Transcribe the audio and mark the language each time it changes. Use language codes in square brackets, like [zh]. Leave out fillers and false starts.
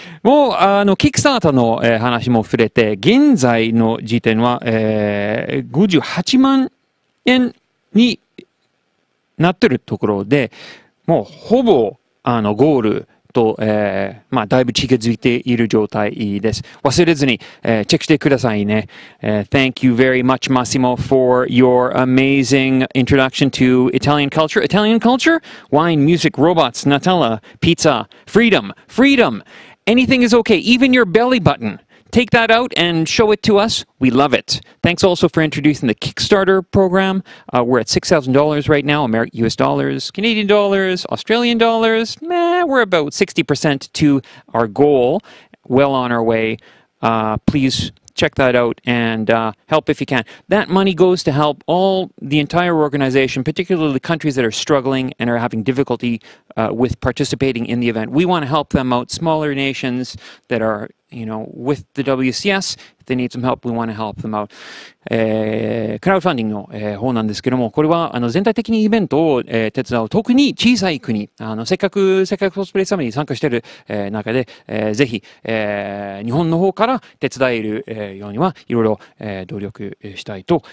[ja] もうあのキックスターターの、話も触れて、現在の時点は、58万円になってるところで、もうほぼあのゴールと、まあ、だいぶ近づいている状態です。忘れずに、チェックしてくださいね。 [en] Thank you very much, Massimo, for your amazing introduction to Italian culture. Italian culture? Wine, music, robots, Nutella, pizza, freedom, freedom. Anything is okay, even your belly button. Take that out and show it to us. We love it. Thanks also for introducing the Kickstarter program. We're at $6,000 right now, US dollars, Canadian dollars, Australian dollars. We're about 60% to our goal. Well on our way. Please check that out and help if you can. That money goes to help all the entire organization, particularly the countries that are struggling and are having difficulty with participating in the event. We want to help them out, smaller nations that are, you know, with the WCS. If they need some help, we want to help them out. [ja] クラウドファンディングの方なんですけども、これはあの全体的にイベントを手伝う、特に小さい国、あのせっかくコスプレサムに参加している中で、ぜひ、日本の方から手伝えるようには、いろいろ努力したいと。